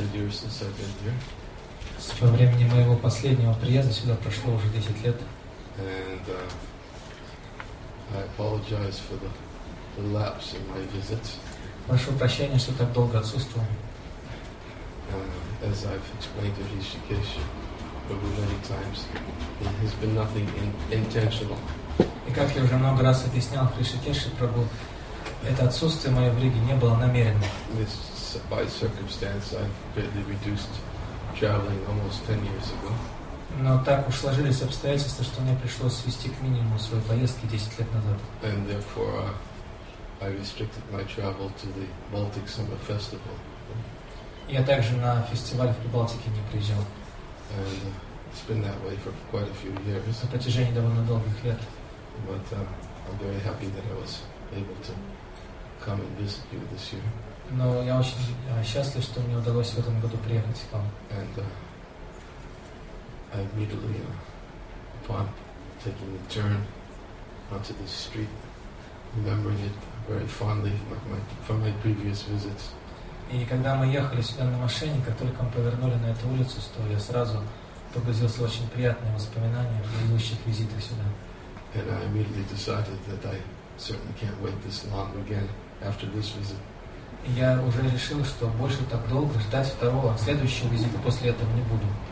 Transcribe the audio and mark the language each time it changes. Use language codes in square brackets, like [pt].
[ru] С того времени моего последнего приезда сюда прошло уже 10 лет. [en] And I apologize for the lapse in my visits. [ru] Прошу прощения, что так долго отсутствовал. [en] As I've explained to Hrishikesh over many times, it has been nothing intentional. [ru] И как я уже много раз объяснял Хришикеше Прабху, это отсутствие мое в Риге не было намеренным. [en] By circumstance, I greatly reduced traveling almost 10 years ago. [ru] Но так уж сложились обстоятельства, что мне пришлось свести к минимуму свои поездки 10 лет назад. [en] And therefore, I restricted my travel to the Baltic Summer Festival. [ru] Я также на фестиваль в Прибалтике не приезжал. [en] And it's been that way for quite a few years. [ru] На протяжении довольно долгих лет. [en] But I'm very happy that I was able to come and visit you this year. [ru] Но я очень счастлив, что мне удалось в этом году приехать к вам. [en] And I immediately, upon taking the turn onto the street, remembering it very fondly from my previous visits. [ru] И когда мы ехали сюда на машине, как только мы повернули на эту улицу, то я сразу погрузился в очень приятные воспоминания предыдущих визитов сюда. [en] And I immediately decided that I certainly can't wait this long again after this visit. [ru] Я уже решил, что больше так долго ждать второго, следующего визита после этого не буду.